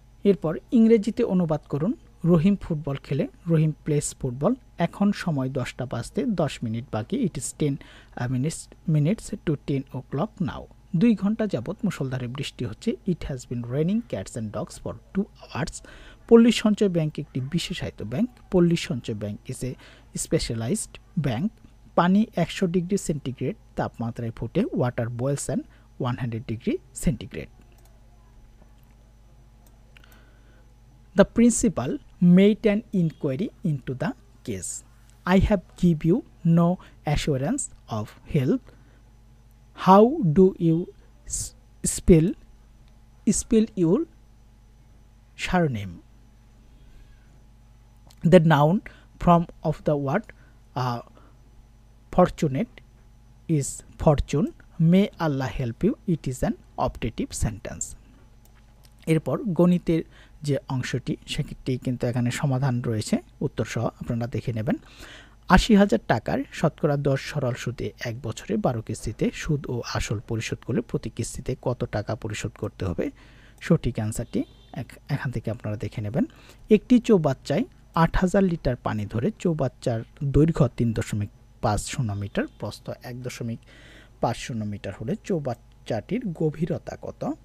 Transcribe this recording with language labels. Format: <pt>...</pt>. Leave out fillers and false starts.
<bn>এরপর ইংরেজিতে অনুবাদ করুন, রহিম ফুটবল খেলে,</bn> <en>Rahim plays football,</en> <bn>এখন সময় 10:10 বাকি,</bn> <en>it is 10:10 now,</en> <bn>2 ঘন্টা যাবত মুষলধারে বৃষ্টি হচ্ছে,</bn> <en>It has been raining cats and dogs for 2 hours.</en> <bn>পল্লী সঞ্চয় ব্যাংক একটি বিশেষায়িত ব্যাংক,</bn> <en>Palli Sanchay bank is a specialised bank,</en> <bn>পানি 100 ডিগ্রি সেন্টিগ্রেড তাপমাত্রায় ফুটে,</bn> <en>Water boils and 100 degree centigrade. The principal made an inquiry into the case. I have given you no assurance of help. How do you spell your surname? The noun form of the word fortunate is fortune. May Allah help you. It is an optative sentence.</en> <bn>এরপর গণিতের যে অংশটি সেটি কিন্তু এখানে সমাধান রয়েছে উত্তর সহ আপনারা দেখে নেবেন। 80,000 টাকার শতকরা 10 সরল সুদে এক বছরে 12 কিস্তিতে সুদ ও আসল পরিশোধ করলে প্রতি কিস্তিতে কত টাকা পরিশোধ করতে হবে? সঠিক অ্যানসারটি এখান থেকে আপনারা দেখে নেবেন। একটি চৌবাচ্চায় 8,000 লিটার পানি ধরে চৌবাচ্চার দৈর্ঘ্য 3.50 মিটার, প্রস্থ 1.50 মিটার হলে চৌবাচ্চাটির গভীরতা কত?</bn>